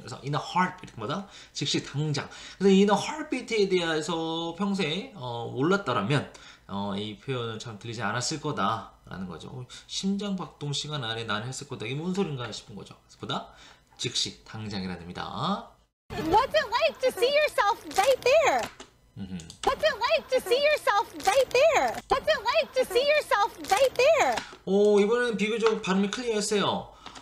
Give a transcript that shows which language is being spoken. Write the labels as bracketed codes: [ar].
[ko] 그래서 in a heartbeat 뭐다? 즉시 당장. 그래서 in a heartbeat에 대해서 평소에 몰랐다라면 이 표현은 참 들리지 않았을 거다라는 거죠. 심장박동 시간 안에 나는 했을 거다. 이게 뭔 소린가 싶은 거죠. 그래서 뭐다? 즉시 당장이라는 의미다. [en] What's it like to see yourself right there? What's it like to see yourself right there? What's it like to see yourself right there? [ko] 오, 이번에는 비교적 발음이 클리어했어요.